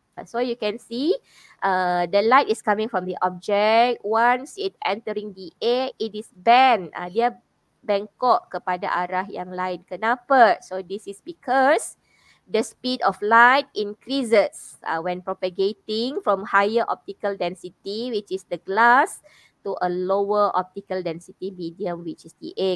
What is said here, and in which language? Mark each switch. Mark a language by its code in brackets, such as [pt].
[en] So you can see the light is coming from the object. Once it entering the air, it is bent. [ms] Dia bengkok kepada arah yang lain. Kenapa? [en] So this is because the speed of light increases when propagating from higher optical density, which is the glass, to a lower optical density medium, which is the air.